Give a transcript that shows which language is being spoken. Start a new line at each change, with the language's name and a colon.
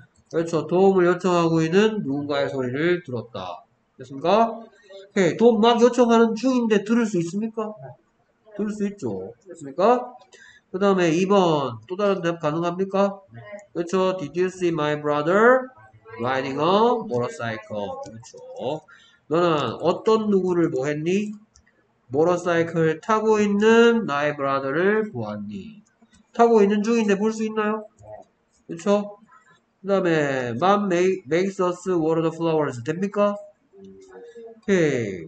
Korean: 그렇죠. 도움을 요청하고 있는 누군가의 소리를 들었다. 됐습니까? Okay. 도움 막 요청하는 중인데 들을 수 있습니까? 들을 수 있죠. 됐습니까? 그 다음에 2번, 또 다른 대답 가능합니까? 네. 그쵸.
English: Did you see my brother riding a motorcycle?
Korean: 그쵸. 너는 어떤 누구를 뭐 했니? motorcycle 타고 있는 나의 brother를 보았니? 타고 있는 중인데 볼 수 있나요? 그쵸. 그 다음에,
English: mom makes us water the flowers.
Korean: 됩니까? 오케이.